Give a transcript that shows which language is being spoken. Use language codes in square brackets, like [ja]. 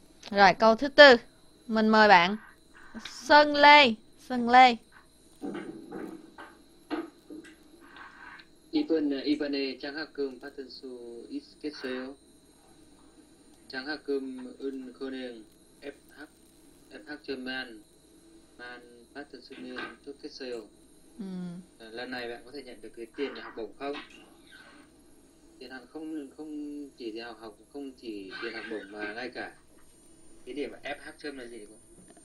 [vi] Rồi câu thứ tư, mình mời bạn Sơn Lê. Sơn Lê. [ko] Ivan 장학금 받을 수 있겠어요? 장학금은 그냥 F학점만 받을 수 있으면 좋겠어요. [vi] Lần này bạn có thể nhận được cái tiền học bổng không? Tiền học không chỉ là học, không chỉ tiền học bổng mà ngay cả cái điểm F학점 là gì không?